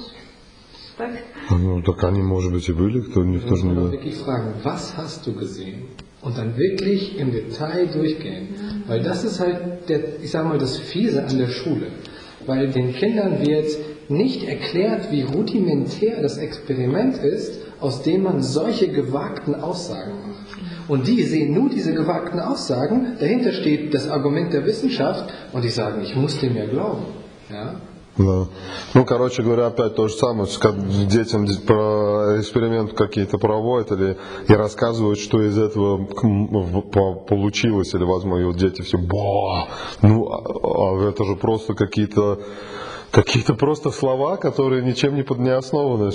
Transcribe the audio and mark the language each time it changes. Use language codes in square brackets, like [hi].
[ru] Я это все видела, мама, понимаешь? Так. Ну, так они, может быть, и были, кто никто не [de] was hast du gesehen? Und dann wirklich im Detail durchgehen. Weil das ist halt, der, ich sag mal, das Fiese an der Schule. Weil den Kindern wird nicht erklärt, wie rudimentär das Experiment ist, aus dem man solche gewagten Aussagen macht. Und die sehen nur diese gewagten Aussagen, dahinter steht das Argument der Wissenschaft und die sagen, ich muss dem ja glauben. Ja? [ru] Да. Ну, короче говоря, опять то же самое, как детям про эксперимент какие-то проводят или и рассказывают, что из этого получилось, или возможно, и вот дети все бо. Ну, это же просто какие-то просто слова, которые ничем не подняосновано.